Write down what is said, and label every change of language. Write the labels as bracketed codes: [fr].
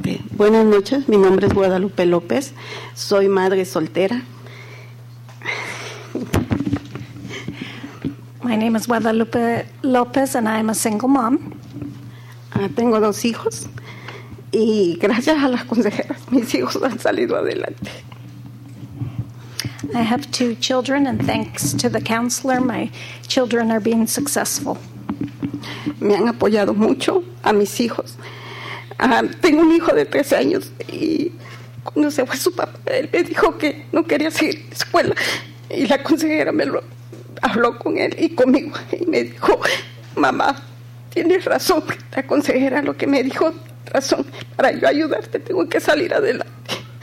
[es] Buenas noches. Mi nombre es Guadalupe López. Soy madre soltera. [en] My name is Guadalupe López, and I'm a single mom. [es] Tengo dos hijos, y gracias a las consejeras, mis hijos han salido adelante. [en] I have two children, and thanks to the counselor, my children are being successful. [es] Me han apoyado mucho a mis hijos. Tengo un hijo de 13 años y cuando se fue su papá, él me dijo que no quería seguir la escuela. Y la consejera me lo habló con él y conmigo y me dijo, mamá, tienes razón. La consejera lo que me dijo, razón, para yo ayudarte tengo que salir adelante.